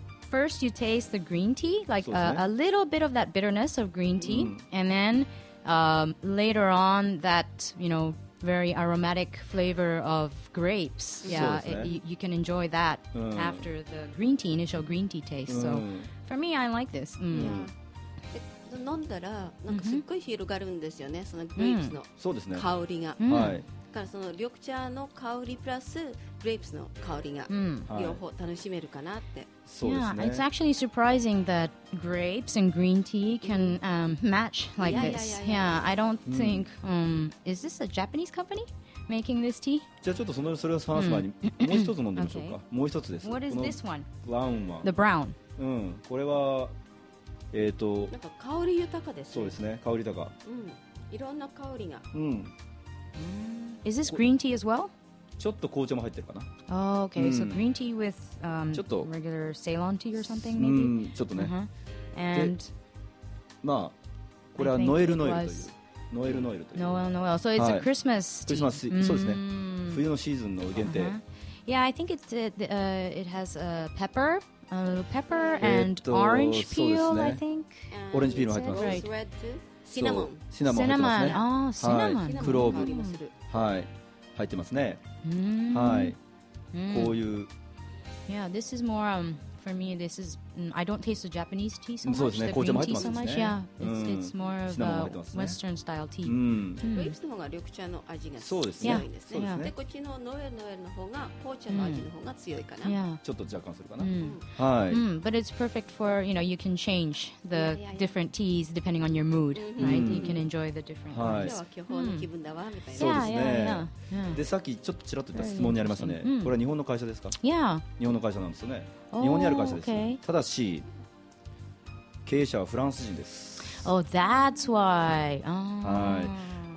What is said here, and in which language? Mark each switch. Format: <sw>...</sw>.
<en>First, you taste the green tea, like a little bit of that bitterness of green tea, and then later on, that you know. Very aromatic flavor of grapes. Yeah, you can enjoy that after the green tea, initial green tea taste. So for me, I like this. Yeah.</en> <ja>飲んだらなんかすっごい広がるんですよね。そのグレープスの香りが。はい。だからその緑茶の香りプラスグレープスの香りが両方楽しめるかなって。</ja> <en>Yeah, it's actually surprising that grapes and green tea can match like this. Yeah, I don't think. Is this a Japanese company making this tea?</en> <ja>じゃあちょっとそのそれを話す前にもう一つ飲んでみましょうか。もう一つです。</ja> <en>What is this one?</en> <ja>ブラウンは。</ja> <en>The brown.</en> <ja>これはなんか香り豊かです。そうですね。香り豊か。いろんな香りが。</ja> <en>Is this green tea as well?</en> <ja>ちょっと紅茶も入ってるかな。</ja> <en>Oh, okay. So green tea with regular Ceylon tea or something maybe.</en> <ja>ちょっとね。</ja> <en>And</en> <ja>まあこれはノエルノエルという。ノエルノエルという。</ja> <en>Noel Noel. So it's a Christmas tea.</en> <ja>クリスマス、そうですね。冬のシーズンの限定。</ja> <en>Yeah, I think it has a pepper, a little pepper and orange peel, I think.</en> <ja>オレンジピールも入ってます。シナモン。シナモン入ってますね。シナモン。クローブ。はい。入ってますね。はい。こういう。</ja> <en>Yeah, this is more for me. This is I don't taste the Japanese tea so much.</en> <ja>そうですね。紅茶も入ってますね。 Yeah, it's more of a Western style tea. グレープスの方が緑茶の味が強いですね。そうですね。でこっちのノエルノエルの方が紅茶の味の方が強いかな。ちょっと若干するかな。はい。</ja> <en>But it's perfect for you know you can change the different teas depending on your mood, right? You can enjoy the different.</en> <ja>今日は巨峰の気分だわみたいな。そうですね。でさっきちょっとちらっと言った質問にありましたね。これは日本の会社ですか？</ja> <en>Yeah.</en> <ja>日本の会社なんですよね。日本にある会社です。ただし経営者はフランス人です。</ja> <en>Oh, that's why.</en> <ja>はい。</ja>